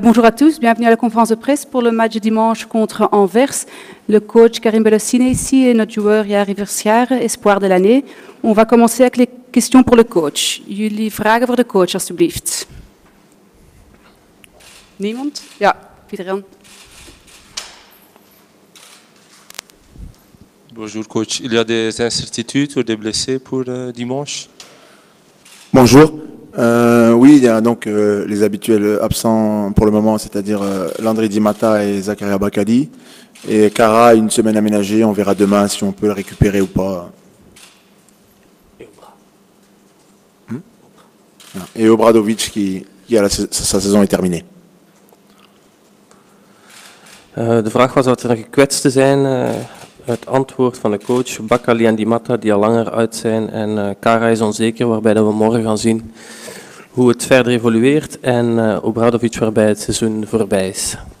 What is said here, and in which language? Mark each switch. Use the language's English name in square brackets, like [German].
[French] Bonjour à tous, bienvenue à la conférence de presse pour le match dimanche contre Anvers. Le coach Karim Bellossin est ici et notre joueur Jari Verscharen, espoir de l'année. On va commencer avec les questions pour le coach. [Dutch] Jullie vragen voor de coach, alstublieft. Niemand? Ja, Pieter-Jan. [French] Bonjour coach, il y a des incertitudes ou des blessés pour dimanche? Bonjour. Oui, il y a donc les habituels absents pour le moment, c'est-à-dire Landry Di Matta et Zakaria Bakali. Et Cara, une semaine aménagée, on verra demain si on peut le récupérer ou pas. Et Obradovic qui a sa saison est terminée. [Dutch] De vraag was wat er gekwetst te zijn. Het antwoord van de coach, Bakali en Di Matta die al langer uit zijn. En Cara is onzeker, waarbij dat we morgen gaan zien hoe het verder evolueert. En Obradovic waarbij het seizoen voorbij is.